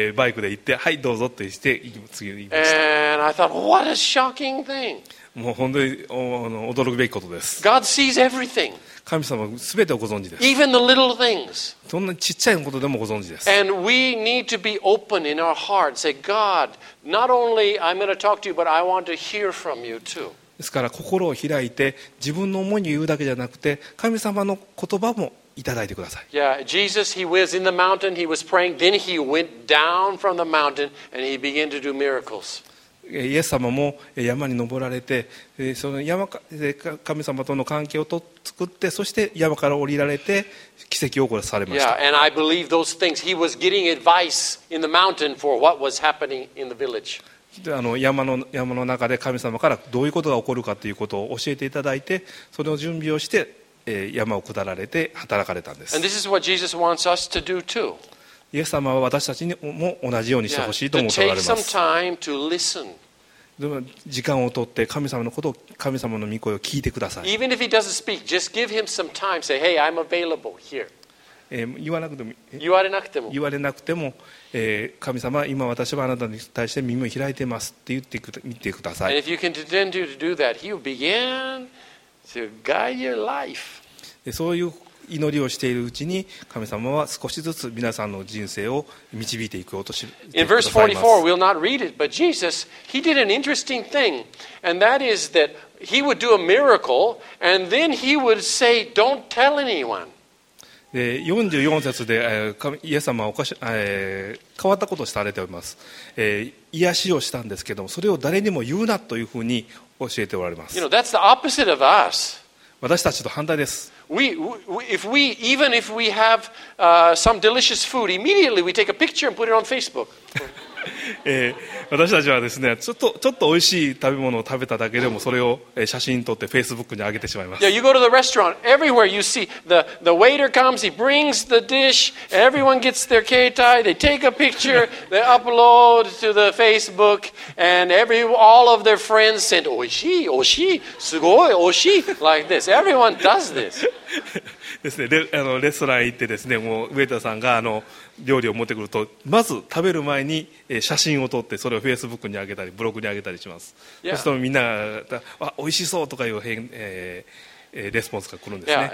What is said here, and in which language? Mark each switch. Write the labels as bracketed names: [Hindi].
[Japanese] ーッ、バイクで行って、はいどうぞと言って次に行きました。 [English] And I thought, what a shocking thing. [Japanese] もう本当に驚くべきことです。 [English] God sees everything. [Japanese] 神様は全てをご存知です。 [English] Even the little things. [Japanese] どんなちっちゃいことでもご存知です。 [English] And we need to be open in our heart. Say, God, not only I'm going to talk to you, but I want to hear from you too. [Japanese] ですから心を開いて自分の思いに言うだけじゃなくて、神様の言葉もいただいてください。 [English] Yeah, Jesus, he was in the mountain, he was praying, then he went down from the mountain and he began to do miracles. [Japanese] イエス様も山に登られて、その山神様との関係を作って、そして山から降りられて奇跡を起こされました。 [English] Yeah, and I believe those things. He was getting advice in the mountain for what was happening in the village. [Japanese] 山の中で神様からどういうことが起こるかということを教えていただいて、その準備をして山を下られて働かれたんです。 [English] And this is what Jesus wants us to do too. [Japanese] イエス様は私たちにも同じようにしてほしいと思っておられます。時間を取って神様のことを、神様の御声を聞いてください。 [English] Even if he doesn't speak, just give him some time. Say, hey, I'm available here. [Japanese] 言われなくても、神様、今私はあなたに対して耳を開いてますって言ってみてください。 [English] And if you can pretend to do that, he will begin to guide your life. [Japanese] そういう祈りをしているうちに、神様は少しずつ皆さんの人生を導いていくようとしてくださいます。 [English] In verse 44, we'll not read it, but Jesus, he did an interesting thing, and that is that he would do a miracle, and then he would say, don't tell anyone. [Japanese] で44節で、イエス様はおかし、変わったことをされております。癒しをしたんですけども、それを誰にも言うなというふうに教えておられます。 [English] You know, that's the opposite of us. [Japanese] 私たちと反対です。 [English] Even if we have some delicious food, immediately we take a picture and put it on Facebook. [Japanese] 私たちはですね、ちょっと美味しい食べ物を食べただけでもそれを写真撮ってフェイスブックに上げてしまいます。 [English] Yeah, you go to the restaurant, everywhere you see the waiter comes, he brings the dish, everyone gets their 携帯, they take a picture, they upload to the Facebook, and all of their friends said, [Japanese] 美味しい、美味しい、すごい、美味しい、 [English] like this. Everyone does this. [Japanese] ですね、レストラン行ってですね、もうウェイターさんが料理を持ってくるとまず食べる前に写真を撮ってそれをフェイスブックに上げたりブログに上げたりします、yeah. そしてみんなが美味しそうとかいう変、レスポンスが来るんですね、